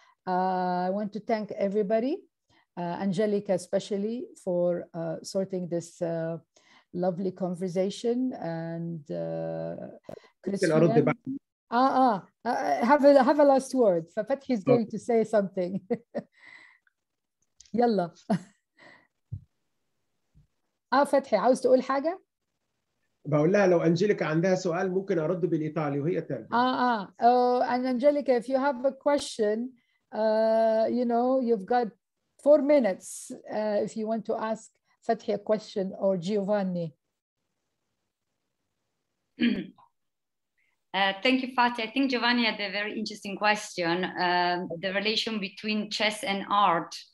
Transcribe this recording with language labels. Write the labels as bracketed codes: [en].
[en] I want to thank everybody, Angelica especially, for sorting this lovely conversation, and Chris. Have a last word. Fatih is going to say something. Yalla. [ar] Fatih, عاوز تقول حاجة؟ بقول لها لو أنجليكا عندها سؤال ممكن أرد بالإيطالي وهي ترجم. [en] And Angelica, if you have a question, you know, you've got 4 minutes if you want to ask Fatih a question or Giovanni. Thank you, Fatih. I think Giovanni had a very interesting question. The relation between chess and art.